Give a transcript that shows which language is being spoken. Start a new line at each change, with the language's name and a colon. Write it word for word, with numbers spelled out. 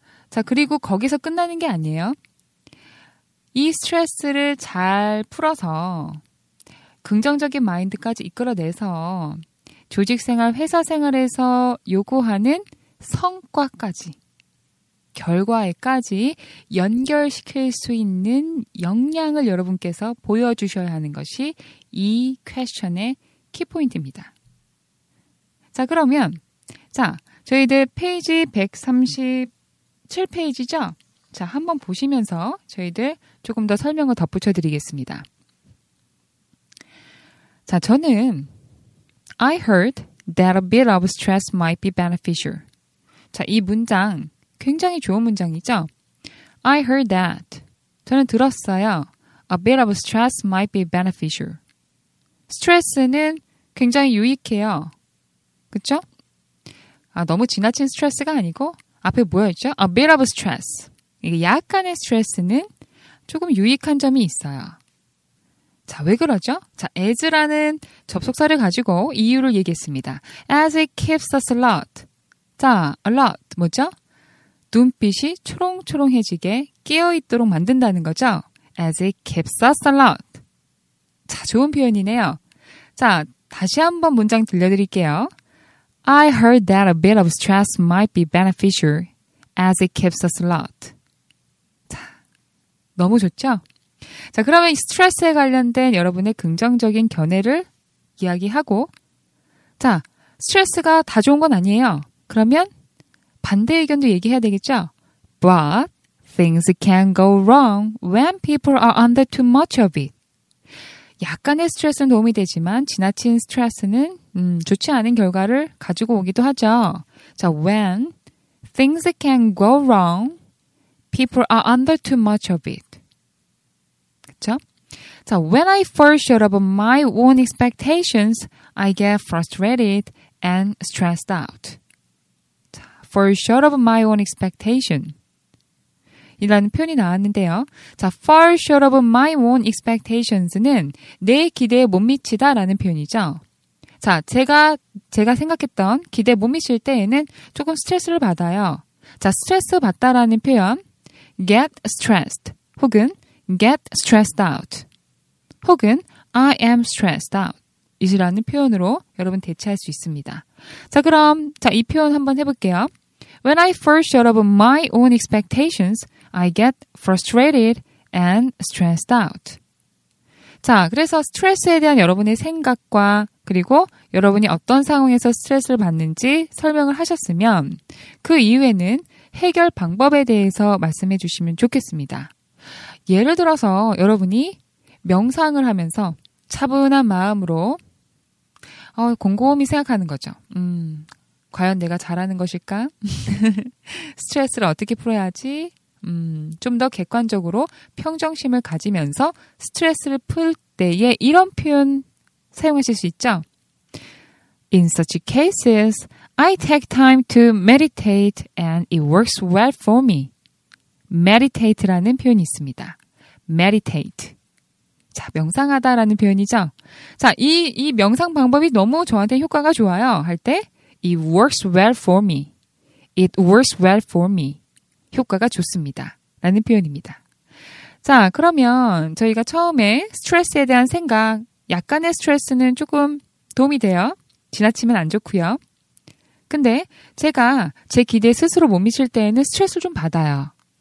Korean: 자, 그리고 거기서 끝나는 게 아니에요. 이 스트레스를 잘 풀어서 긍정적인 마인드까지 이끌어내서 조직생활, 회사생활에서 요구하는 성과까지, 결과에까지 연결시킬 수 있는 역량을 여러분께서 보여주셔야 하는 것이 이 퀘스천의 키포인트입니다. 자, 그러면 자, 저희들 페이지 백삼십칠 페이지죠? 자, 한번 보시면서 저희들 조금 더 설명을 덧붙여 드리겠습니다. 자, 저는
English: I heard that a bit of stress might be beneficial.
Korean: 자, 이 문장 굉장히 좋은 문장이죠?
English: I heard that.
Korean: 저는 들었어요.
English: A bit of stress might be beneficial.
Korean: 스트레스는 굉장히 유익해요. 그쵸? 아, 너무 지나친 스트레스가 아니고 앞에 뭐였죠?
English: A bit of stress.
Korean: 이게 약간의 스트레스는 조금 유익한 점이 있어요. 자, 왜 그러죠? 자, as라는 접속사를 가지고 이유를 얘기했습니다.
English: As it keeps us alert. 자, alert
Korean: 뭐죠? 눈빛이 초롱초롱해지게 깨어있도록 만든다는 거죠.
English: As it keeps us alert. 자,
Korean: 좋은 표현이네요. 자, 다시 한번 문장 들려드릴게요.
English: I heard that a bit of stress might be beneficial as it keeps us alert.
Korean: 자, 너무 좋죠? 자, 그러면 스트레스에 관련된 여러분의 긍정적인 견해를 이야기하고 자, 스트레스가 다 좋은 건 아니에요. 그러면 반대 의견도 얘기해야 되겠죠?
English: But things can go wrong when people are under too much of it.
Korean: 약간의 스트레스는 도움이 되지만 지나친 스트레스는 음, 좋지 않은 결과를 가지고 오기도 하죠.
English: 자, when things can go wrong, people are under too much of it.
Korean: 그쵸?
English: 자, when I fall short of my own expectations, I get frustrated and stressed out. 자, fall short of my own expectation.
Korean: 이라는 표현이 나왔는데요. 자,
English: fall short of my own expectations
Korean: 는 내 기대에 못 미치다 라는 표현이죠. 자, 제가, 제가 생각했던 기대에 못 미칠 때에는 조금 스트레스를 받아요. 자, 스트레스 받다라는 표현,
English: get stressed,
Korean: 혹은
English: get stressed out,
Korean: 혹은
English: I am stressed out,
Korean: 이라는 표현으로 여러분 대체할 수 있습니다. 자, 그럼, 자, 이 표현 한번 해볼게요.
English: When I fall short of my own expectations, I get frustrated and stressed out.
Korean: 자, 그래서 스트레스에 대한 여러분의 생각과 그리고 여러분이 어떤 상황에서 스트레스를 받는지 설명을 하셨으면 그 이후에는 해결 방법에 대해서 말씀해 주시면 좋겠습니다. 예를 들어서 여러분이 명상을 하면서 차분한 마음으로 어, 곰곰이 생각하는 거죠. 음, 과연 내가 잘하는 것일까? 스트레스를 어떻게 풀어야 하지? 음, 좀 더 객관적으로 평정심을 가지면서 스트레스를 풀 때에 이런 표현 사용하실 수 있죠.
English: In such cases, I take time to meditate and it works well for me.
Korean: meditate라는 표현이 있습니다.
English: meditate.
Korean: 자, 명상하다라는 표현이죠. 자, 이, 이 명상 방법이 너무 저한테 효과가 좋아요. 할 때
English: It works well for me. It works well for me.
Korean: 효과가 좋습니다. 라는 표현입니다. 자, 그러면 저희가 처음에 스트레스에 대한 생각, 약간의 스트레스는 조금 도움이 돼요. 지나치면 안 좋고요. 근데 제가 제 기대에 스스로 못 미칠 때에는 스트레스를 좀 받아요.